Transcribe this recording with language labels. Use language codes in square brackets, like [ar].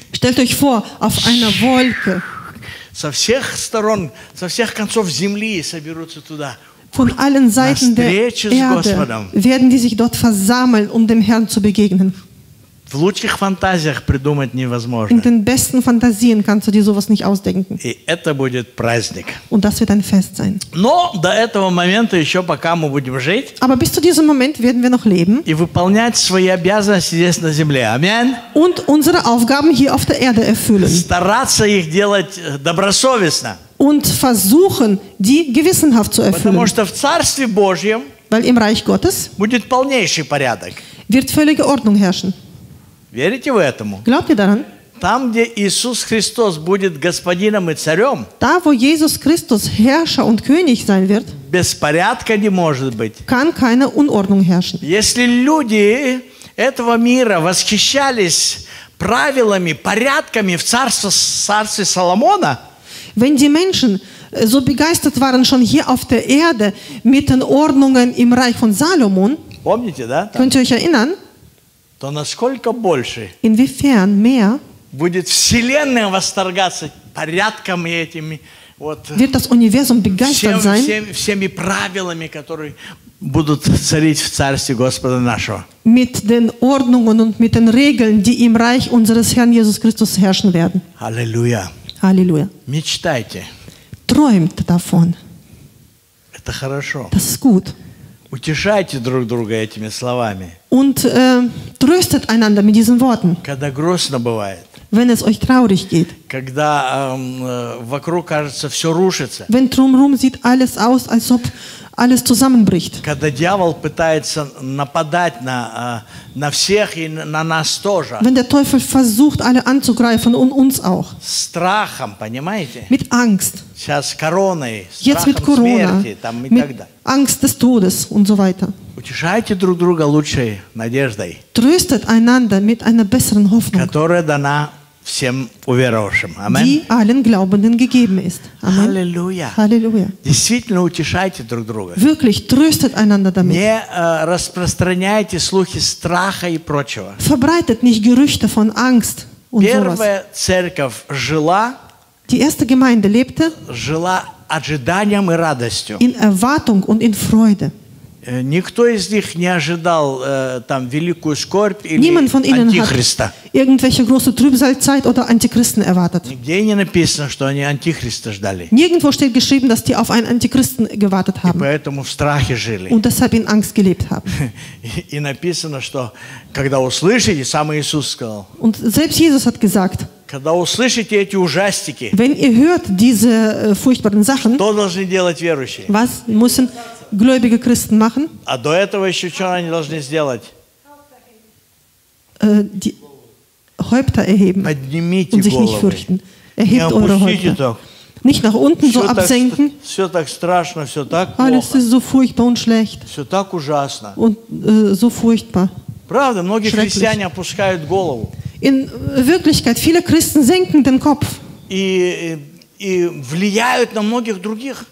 [de] Stellt euch vor, auf einer Wolke. [ru] Со всех сторон, со всех концов земли соберутся туда. [de] Von allen Seiten der Erde werden die sich dort versammeln, um dem Herrn zu begegnen. [ru] В лучших фантазиях придумать невозможно. [de] In den besten Fantasien kannst du dir sowas nicht ausdenken. [ru] И это будет праздник. [de] Und das wird ein Fest sein. [ru] Но до этого момента еще пока мы будем жить. [de] Aber bis zu diesem Moment werden wir noch leben. [ru] И выполнять свои обязанности здесь на земле. Аминь. [de] Und unsere Aufgaben hier auf der Erde erfüllen. [ru] Стараться их делать добросовестно. [de] Und versuchen, die gewissenhaft zu erfüllen. [ru] Потому что в Царстве Божьем [de] Weil im Reich Gottes [ru] будет полнейший порядок. [de] Wird völlige Ordnung herrschen. [ru] Верите вы этому? [de] Glaubt ihr daran? [ru] Там, где Иисус Христос будет господином и царем, [de] da, wo Jesus Christus Herrscher und König sein wird, [ru] беспорядка не может быть. [de] Kann keine Unordnung herrschen. [ru] Если люди этого мира восхищались правилами, порядками в царстве Соломона, [de] wenn die Menschen so begeistert waren schon hier auf der Erde mit den Ordnungen im Reich von Salomon, [ru] помните, да? Там. [de] Könnt ihr euch erinnern? [ru] То насколько больше [de] Inwiefern mehr [ru] будет Вселенная восторгаться порядком и этими вот, [de] wird das Universum begeistert sein? [ru] Всеми правилами, которые будут царить в Царстве Господа нашего. [de] Mit den Ordnungen und mit den Regeln, die im Reich unseres Herrn Jesus Christus herrschen werden. Halleluja. Halleluja. [ru] Мечтайте. [de] Träumt davon. [ru] Это хорошо. [de] Das ist gut. [ru] Утешайте друг друга этими словами. [de] Und tröstet einander mit diesen Worten. [ru] Когда грустно бывает. [de] Wenn es euch traurig geht. [ru] Когда вокруг кажется все рушится. [de] Wenn drumherum sieht alles aus, als ob alles zusammenbricht. [ru] Когда дьявол пытается нападать на всех и на нас тоже. [de] Wenn der Teufel versucht, alle anzugreifen und uns auch. [ru] Страхом, понимаете? [de] Mit Angst. [ru] Сейчас короной, [de] Jetzt mit Corona. [ru] Смерти, там, [de] mit Angst des Todes und so weiter. [ru] Утешайте друг друга лучшей надеждой. [de] Tröstet einander mit einer besseren Hoffnung. [ru] Которая дана всем уверовавшим. [de] Amen. Die allen Glaubenden gegeben ist. Amen. Halleluja. Halleluja. [ru] Действительно утешайте друг друга. [de] Wirklich tröstet einander damit. [ru] Не распространяйте слухи страха и прочего. [de] Verbreitet nicht Gerüchte von Angst und [ru] Первая [de] sowas. [ru] Церковь жила. [de] Die erste Gemeinde lebte. [ru] Жила ожиданием и радостью. [de] In Erwartung und in Freude. [ru] Никто из них не ожидал там великую скорбь или антихриста. [de] Irgendwelche große Trübsalzeit oder Antichristen erwartet. [ru] Нигде не написано, что они антихриста ждали. [de] Nirgendwo steht geschrieben, dass die auf einen Antichristen gewartet haben. [ru] И поэтому в страхе жили. [de] Und deshalb in Angst gelebt haben. [ru] И написано, что когда услышите, сам Иисус сказал. [de] Und selbst Jesus hat gesagt. [ru] Когда услышите эти ужастики. [de] Wenn ihr hört diese furchtbaren Sachen. [ru] Что должны делать верующие? [de] Was müssen Gläubige Christen machen? [ru] А до этого еще что они должны сделать? [de] Die, Häupter erheben [ru] Поднимите [de] und sich [ru] головы. [de] Nicht fürchten. Erhebt eure Häupter. [ru] Так. [de] Nicht nach unten [ru] все [de] so absenken. [ru] Так страшно, [de] Alles [ru] плохо. [de] Ist so furchtbar und schlecht. Und so furchtbar. [ru] Правда, многие христиане опускают голову. [de] In Wirklichkeit, viele Christen senken den Kopf. [ru] И влияют на многих других.